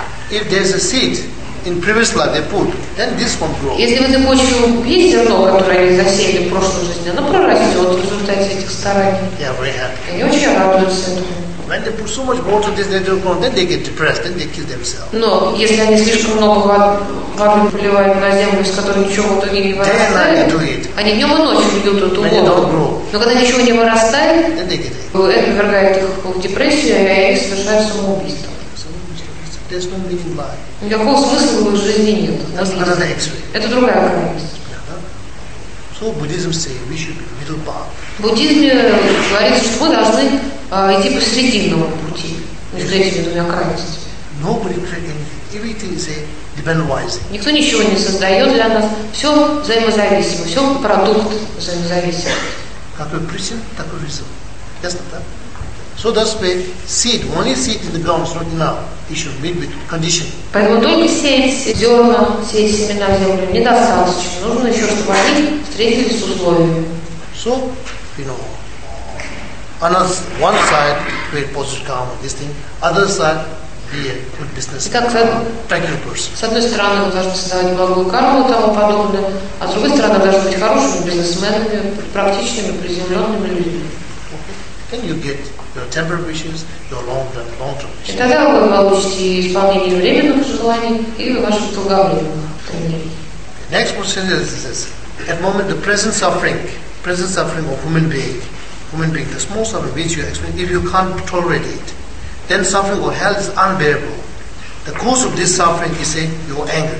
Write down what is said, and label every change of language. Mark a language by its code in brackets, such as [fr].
[en] If there's a seed in previous life they put, then this won't grow. [ru] Если в этой почве есть зерно, которое они засеяли в прошлой жизни, оно прорастет в результате этих стараний. [en] Yeah, very happy. [ru] Они очень радуются этому. [en] When they put so much water in this natural ground, then they get depressed, then they kill themselves. [ru] Но если они слишком много воды поливают на землю, из которой ничего в итоге не вырастает, они днем и ночью пьют эту воду. Но когда ничего не вырастает, это ввергает их в депрессию, и они совершают самоубийство. [en] There's no meaning in life. [ru] Никакого смысла в жизни нет. Это другая карма. [en] So Buddhism says we should be middle path. [ru] Буддизм говорит, что мы должны идти по срединному пути между этими двумя крайностями. [en] Nobody creates anything. Everything is a dependent. [ru] Никто ничего не создает для нас. Все взаимозависимо. Все продукт взаимозависим. Какой причин, такой результат. Ясно, да? [en] So that's why seed, only seed in the ground is not enough. It should be with condition. [ru] Поэтому только сеять зерна, сеять семена в землю недостаточно. Нужно еще, чтобы они встретились с условиями. [en] So, you know, on one side, create positive karma, this thing. Other side, be a good business. [ru] Итак, [en] practical person. [ru] С одной стороны, вы должны создавать благую карму и тому подобное. А с другой стороны, должны быть хорошими бизнесменами, практичными, приземленными людьми. [en] Okay. Then you get your temporary wishes, your long-term wishes. [ru] И тогда вы получите исполнение временных желаний и ваших долговременных. [en] Next question is this. At moment, the present suffering of human being, the small suffering which you experience, if you can't tolerate it, then suffering or hell is unbearable. The cause of this suffering is in your anger.